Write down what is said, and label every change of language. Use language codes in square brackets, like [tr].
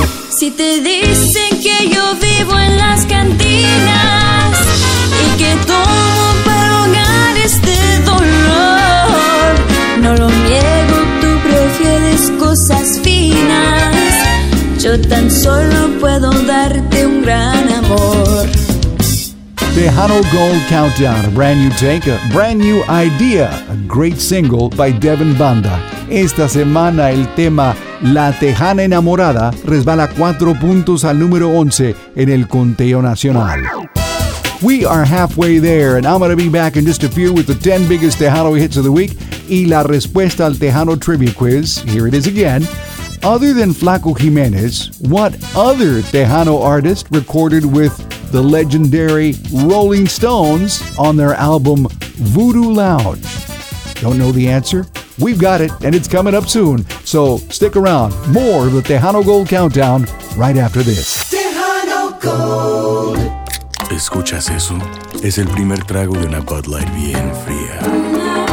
[es] Si te dicen que yo vivo en las cantinas y que tomo para ahogar este dolor, no lo niego, tú prefieres cosas finas. Yo tan solo puedo darte un gran amor. [en] Tejano Gold Countdown, a brand new take, a brand new idea, a great single by Devin Banda. [es] Esta semana el tema La Tejana Enamorada resbala 4 puntos al número 11 en el conteo nacional. [en] We are halfway there and I'm going to be back in just a few with the 10 biggest Tejano hits of the week y la respuesta al Tejano Trivia Quiz. Here it is again. Other than Flaco Jimenez, what other Tejano artist recorded with the legendary Rolling Stones on their album Voodoo Lounge? Don't know the answer? We've got it, and it's coming up soon. So stick around. More of the Tejano Gold Countdown right after this. Tejano Gold. [es] ¿Escuchas eso? Es el primer trago de una Bud Light bien fría.